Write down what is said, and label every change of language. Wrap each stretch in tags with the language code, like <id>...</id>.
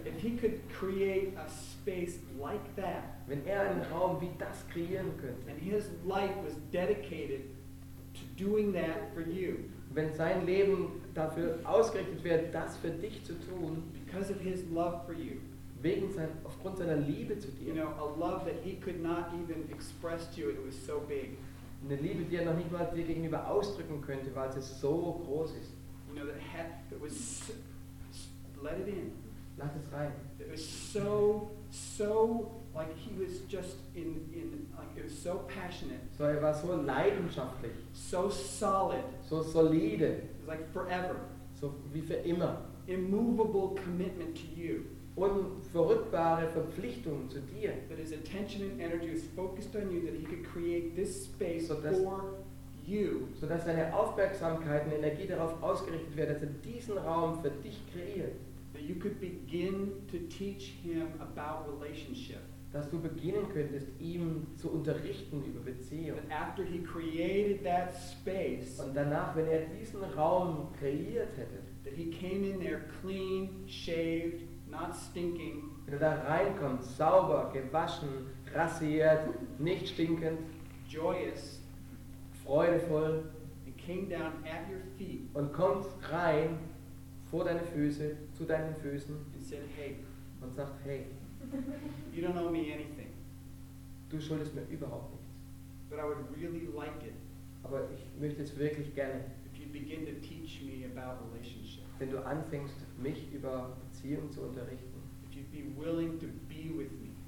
<en>If he could create a space like that,</en> <de>wenn er einen Raum wie das kreieren könnte,</de> <en>and his life was dedicated to doing that for you.</en> <de>Wenn sein Leben dafür ausgerichtet wäre, das für dich zu tun,</de> <en>because of his love for you.</en> <de>Wegen aufgrund seiner Liebe zu dir.</de> <en>You know, a love that he could not even express to you, it was so big.</en> <de>Eine Liebe, die er noch nicht mal dir gegenüber ausdrücken könnte, weil sie so groß ist.</de> <en>You know, that was so, let it in.</en> <de>Lass es rein.</de> <en>It was so, so, like he was just in like it was so passionate.</en> <de>So er war so leidenschaftlich.</de> <en>So solid.</en> <de>So solide.</de> <en>It was like forever.</en> <de>So wie für immer.</de> <en>Immovable commitment to you.</en> <de>Unverrückbare Verpflichtung zu dir.</de> <en>That his attention and energy was focused on you, that he could create this space for you.</en> <de>So dass seine Aufmerksamkeit und Energie darauf ausgerichtet wäre, dass er diesen Raum für dich kreiert.</de> <en>That you could begin to teach him about relationship.</en> <de>Dass du beginnen könntest, ihm zu unterrichten über Beziehung.</de> <en>That after he created that space,</en> <de>und danach, wenn er diesen Raum kreiert hätte,</de> <en>that he came in there clean, shaved, not stinking.</en> <de>Wenn er da reinkommt, sauber, gewaschen, rasiert, nicht stinkend,</de> <en>joyous,</en> <de>freudevoll,</de> <en>and came down at your feet,</en> <de>und kommt rein vor deine Füße, zu deinen Füßen,</de> <en>and said, hey,</en> <de>und sagt, hey,</de> <en>you don't owe me anything.</en> <de>Du schuldest mir überhaupt nichts.</de> <en>But I would really like it.</en> <de>Aber ich möchte es wirklich gerne.</de> <en>If you begin to teach me about relationship.</en> <de>Wenn du anfängst, mich über Beziehung zu unterrichten.</de> <en>If you'd be willing to be with me.</en>